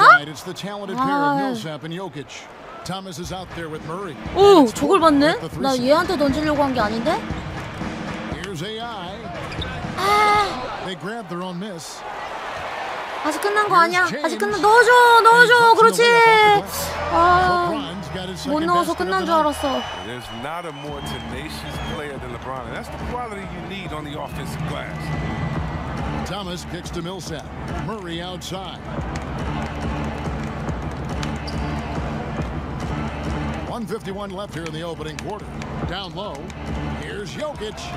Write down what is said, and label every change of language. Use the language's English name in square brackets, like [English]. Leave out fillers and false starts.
[English] Inside, it's the talented pair of Millsap and Jokic. Thomas is out there with Murray. [Korean] 오, 저걸 봤네? 나 얘한테 던지려고 한 게 아닌데? [English] Here's AI. 아. They grab their own miss. [Korean] 아직 끝난 거 아니야? 아직 끝난 넣어줘, 넣어줘, 그렇지? 아, 못 넣어서 끝난 줄 알았어. [English] There's not a more tenacious player than LeBron, and that's the quality you need on the offensive glass. Thomas kicks to Millsap. Murray outside. 151 left here in the opening quarter. Down low. Here's Jokic.